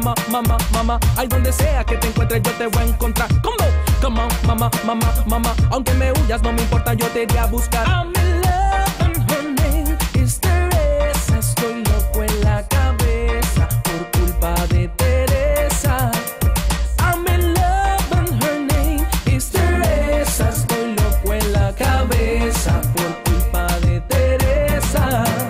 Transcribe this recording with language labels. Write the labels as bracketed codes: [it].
[es] Mama, mama, ay, donde sea que te encuentres, yo te voy a encontrar. [en] Come on, come on, [es] mama, mama, mama. Aunque me huyas, no me importa, yo te iré a buscar. [en] I'm in love, and her name is Teresa. [es] Estoy loco en la cabeza por culpa de Teresa. [en] I'm in love, and her name is Teresa. [es] Estoy loco en la cabeza por culpa de Teresa.